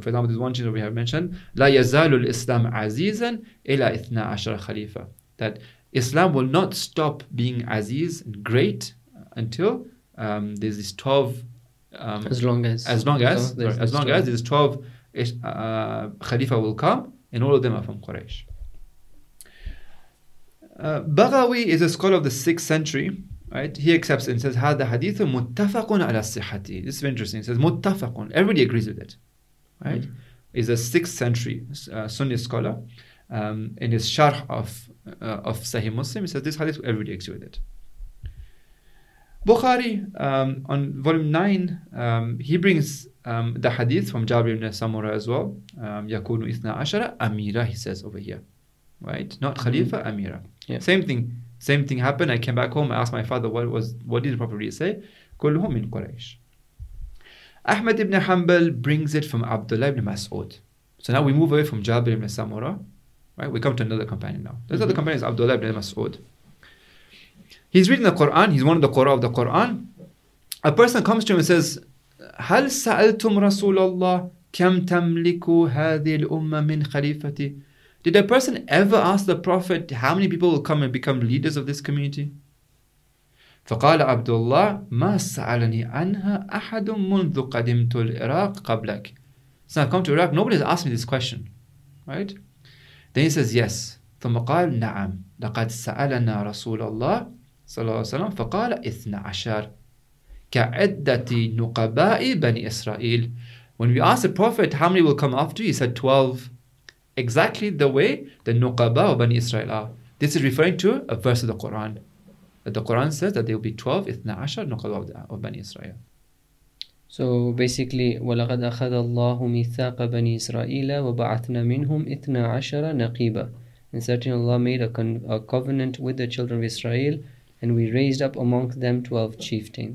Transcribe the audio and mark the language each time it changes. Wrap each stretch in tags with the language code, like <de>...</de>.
<en>For example, there's one chain that we have mentioned,</en> <ar>لا يزال الإسلام عزيزا إلى 12 خليفة,</ar> <en>that Islam will not stop being aziz and great until there's these 12 as long as these 12 khalifa will come, and all of them are from Quraysh. Baghawi is a scholar of the 6th century, right? He accepts and says,</en> <ar>هذا حديث متفق على صحته.</ar> <en>This is interesting. He says, متفق. Everybody agrees with it, right? He's a 6th century Sunni scholar. In his sharh of Sahih Muslim, he says, this hadith, everybody agrees with it. Bukhari, on volume 9, he brings the hadith from Jabir ibn Samura as well.</en> <ar>Yakunu ithna ashara amira,</ar> <en>he says over here. Right? Not khalifa, amira. Yeah. Same thing happened. I came back home. I asked my father, what did he properly say?</en> <ar>Kulhum min Quraysh.</ar> <en>Ahmed ibn Hanbal brings it from Abdullah ibn Mas'ud. So now we move away from Jabir ibn Samura. Right? We come to another companion now. This other companion is Abdullah ibn Mas'ud. He's reading the Quran. He's one of the Qura of the Quran. A person comes to him and says,</en> <ar>هل سألتم رسول الله كم تملك هذه الأمة من خليفتي?</ar> <en>Did a person ever ask the Prophet how many people will come and become leaders of this community?</en> <ar>فقال عبد الله ما سألني عنها أحد منذ قدمت العراق قبلك.</ar> <en>So I come to Iraq, nobody has asked me this question, right? Then he says, yes.</en> <ar>ثم قال نعم لقد سألنا رسول الله صلى الله عليه وسلم فقال 12 كعدة نقباء بني إسرائيل.</ar> <en>When we asked the Prophet how many will come after, he said 12. Exactly the way the Nuqaba of Bani Israel are. This is referring to a verse of the Quran. That the Quran says that there will be 12 12 Nuqaba of Bani Israel. So basically,</en> <ar>وَلَقَدْ أَخَذَ اللَّهُ مِثَاقَ بَنِي إِسْرَائِيلَ وَبَعَثْنَا مِنْهُمْ 12 نَقِيبًا.</ar> <en>And certainly Allah made a covenant with the children of Israel, and we raised up among them 12 chiefs.</en>